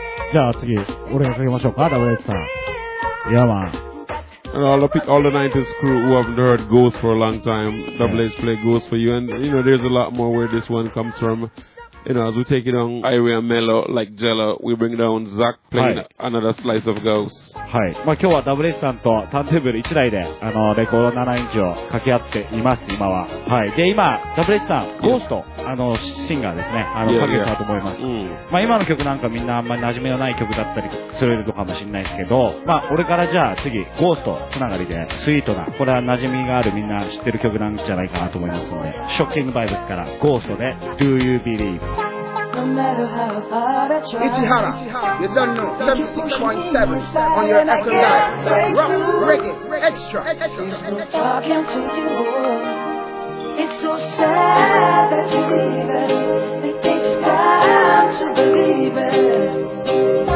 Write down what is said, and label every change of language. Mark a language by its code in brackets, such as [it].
[ja] じゃあ次、俺がかけましょうか、ダブルエッサー。やば。 [en] All the 90s crew who haven't heard Ghost for a long time, Double H play Ghost for you. And, you know, there's a lot more where this one comes from. You know, as we take it on Irie and Mello, like Jello, we bring down Zach playing another slice of Ghost. [ja] はい。まあ、今日はダブルエッサーとターンテーブル1台で、レコード7インチを掛け合っています、今は。はい。で、今、ダブルエッサー、ゴースト、シンガーですね、掛けたと思います。うん。まあ、今の曲なんかみんなあんまり馴染みのない曲だったりするのかもしれないですけど、まあ、俺からじゃあ次、ゴーストつながりで、スイートな、これは馴染みがあるみんな知ってる曲なんじゃないかなと思いますので、ショッキングバイブスから、ゴーストで、Do You Believe? [en] No matter how hard I try, Ichihara, you don't know 76.7 on your FM dial. Rock, reggae, extra. There's no talking to you. It's so sad that you're leaving. They think you're bound to believe it.